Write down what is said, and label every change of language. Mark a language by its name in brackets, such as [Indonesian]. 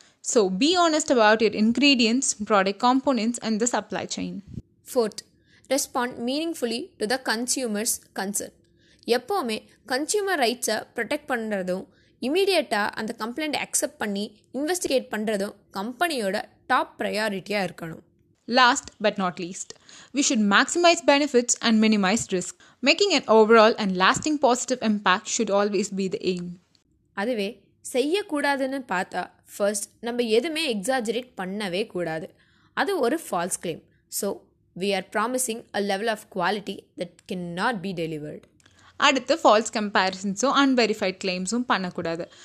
[English] So be honest about your ingredients, product components and the supply chain. Fourth, respond meaningfully to the consumer's concern. [Tamil] எப்போவுமே consumer rights-ஐ protect பண்ணுறதும், immediate-ஆ அந்த complaint accept பண்ணி investigate பண்ணுறதும் கம்பெனியோட top priority-ஆ இருக்கணும். [English] Last but not least, we should maximize benefits and minimize risk. Making an overall and lasting positive impact should always be the aim. [Tamil] அதுவே செய்யக்கூடாதுன்னு பார்த்தா, ஃபர்ஸ்ட், நம்ம எதுவுமே எக்ஸாஜரேட் பண்ணவே கூடாது. அது ஒரு [English] False claim. So we are promising a level of quality that can not be delivered. [Tamil] அடுத்து ஃபால்ஸ் கம்பேரிசன்ஸும் அன்வெரிஃபைட் கிளைம்ஸும் பண்ணக்கூடாது.